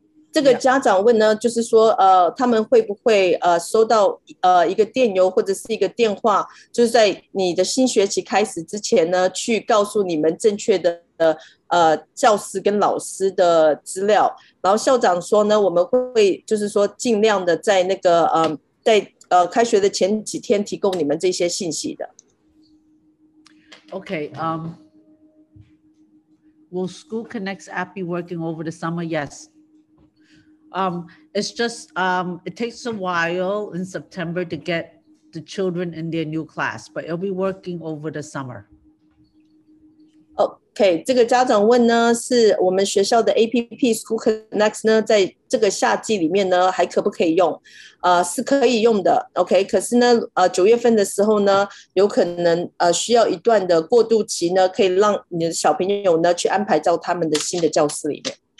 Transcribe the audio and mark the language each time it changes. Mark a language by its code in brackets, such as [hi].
[zh] 这个家长问呢就是说他们会不会收到一个电邮或者是一个电话就是在你的新学期开始之前呢去告诉你们正确的教师跟老师的资料。然后校长说呢我们会就是说尽量的在那个在开学的前几天提供你们这些信息的。 [en] OK， Will School Connect's app be working over the summer? Yes. It's just, it takes a while in September to get the children in their new class, but it'll be working over the summer. [zh] OK, 这个家长问呢是我们学校的 APP School Connect 呢在这个夏季里面呢还可不可以用，是可以用的。 OK, 可是呢九月份的时候呢有可能需要一段的过渡期呢可以让你的小朋友呢去安排到他们的新的教室里面。